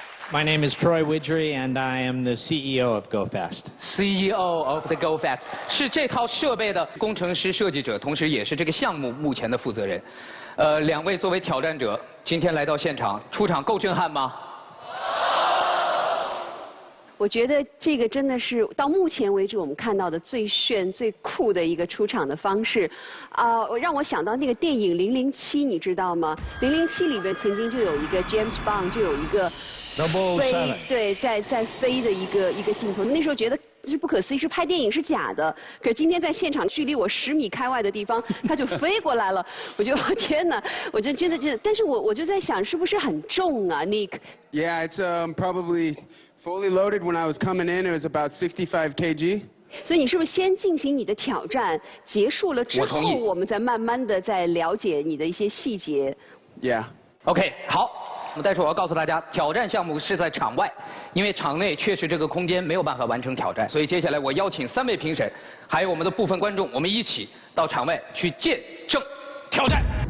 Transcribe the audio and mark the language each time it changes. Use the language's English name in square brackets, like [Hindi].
[English] My name is Troy Widry, and I am the CEO of Go Fast. CEO of the Go Fast. [Chinese] 是这套设备的工程师设计者，同时也是这个项目目前的负责人。两位作为挑战者今天来到现场，出场够震撼吗？我觉得这个真的是到目前为止我们看到的最炫最酷的一个出场的方式。让我想到那个电影007，你知道吗？007里边曾经就有一个 James Bond， 就有一个飞，对，在飞的一个镜头。那时候觉得是不可思议，是拍电影是假的。可是今天在现场距离我十米开外的地方，它就飞过来了。我就天哪，我就真的觉得，但是我就在想，是不是很重啊 ，Nick？ [English] Yeah, it's probably fully loaded when I was coming in. It was about 65 kg. [Chinese] 所以你是不是先进行你的挑战，结束了之后，我们再慢慢的再了解你的一些细节 [English] ？Yeah. [Chinese] OK， 好。但是我要告诉大家，挑战项目是在场外，因为场内确实这个空间没有办法完成挑战，所以接下来我邀请三位评审还有我们的部分观众，我们一起到场外去见证挑战。